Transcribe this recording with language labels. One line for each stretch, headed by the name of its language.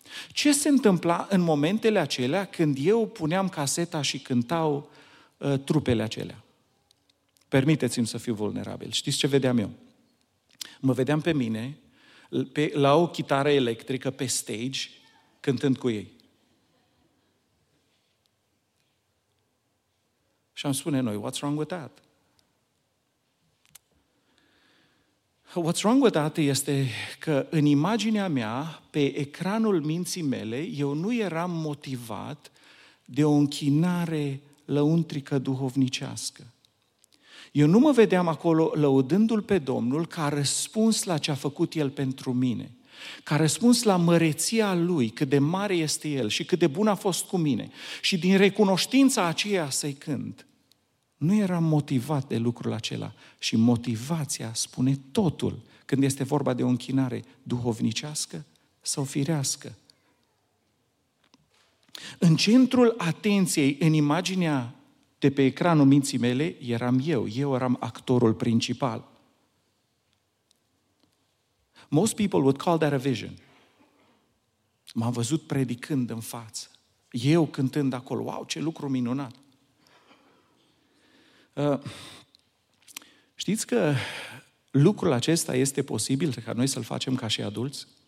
Romanian: Ce se întâmpla în momentele acelea când eu puneam caseta și cântau trupele acelea? Permiteți-mi să fiu vulnerabil. Știți ce vedeam eu? Mă vedeam pe mine la o chitară electrică pe stage cântând cu ei. Și am spune noi,
English: what's wrong with that? What's wrong with that
Romanian: este că în imaginea mea, pe ecranul minții mele, eu nu eram motivat de o închinare lăuntrică duhovnicească. Eu nu mă vedeam acolo lăudându-L pe Domnul ca răspuns la ce a făcut El pentru mine, ca răspuns la măreția Lui, cât de mare este El și cât de bun a fost cu mine. Și din recunoștința aceea să-I cânt. Nu eram motivat de lucrul acela și motivația spune totul când este vorba de o închinare duhovnicească sau firească. În centrul atenției, în imaginea de pe ecranul minții mele, eram eu. Eu eram actorul principal.
English: Most people would call that a vision.
Romanian: M-am văzut predicând în față. Eu cântând acolo. Wow, ce lucru minunat! Știți că lucrul acesta este posibil ca noi să-l facem ca și adulți?